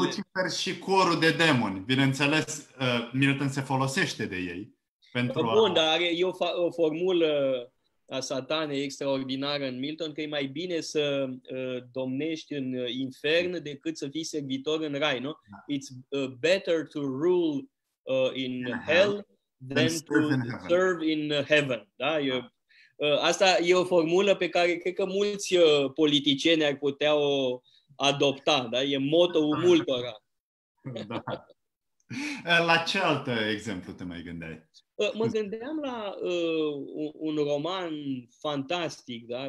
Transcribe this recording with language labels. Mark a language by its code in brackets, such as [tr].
[ro] Lucifer și corul de demoni. Bineînțeles, Milton se folosește de ei. Bun, dar are o formulă a satanei extraordinară în Milton, că e mai bine să domnești în infern decât să fii servitor în rai, nu? [en] It's better to rule in hell than to serve in heaven. [ro] Da? Asta e o formulă pe care cred că mulți politicieni ar putea o adopta. Da? E motto-ul multora. Da. La ce alt exemplu te mai gândeai? Mă gândeam la un roman fantastic, da?